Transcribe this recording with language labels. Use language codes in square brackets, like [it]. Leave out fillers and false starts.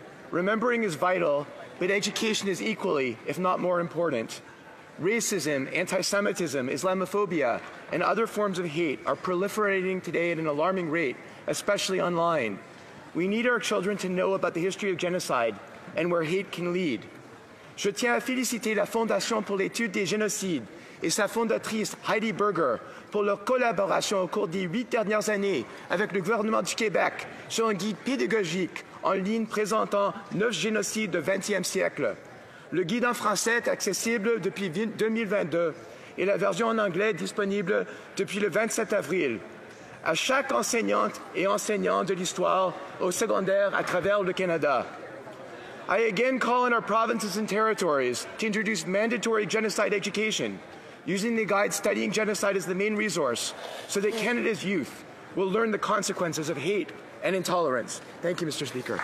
[en] Remembering is vital, but education is equally, if not more, important. Racism, anti-Semitism, Islamophobia, and other forms of hate are proliferating today at an alarming rate, especially online. We need our children to know about the history of genocide and where hate can lead. [fr] Je tiens à féliciter la Fondation pour l'étude des génocides et sa fondatrice Heidi Berger pour leur collaboration au cours des huit dernières années avec le gouvernement du Québec sur un guide pédagogique en ligne présentant neuf génocides du XXe siècle. Le guide en français est accessible depuis 2022 et la version en anglais est disponible depuis le 27 avril. À chaque enseignante et enseignant de l'histoire au secondaire à travers le Canada. [en] I again call on our provinces and territories to introduce mandatory genocide education, using the guide Studying Genocide as the main resource, so that Canada's youth will learn the consequences of hate and intolerance. Thank you, Mr. Speaker.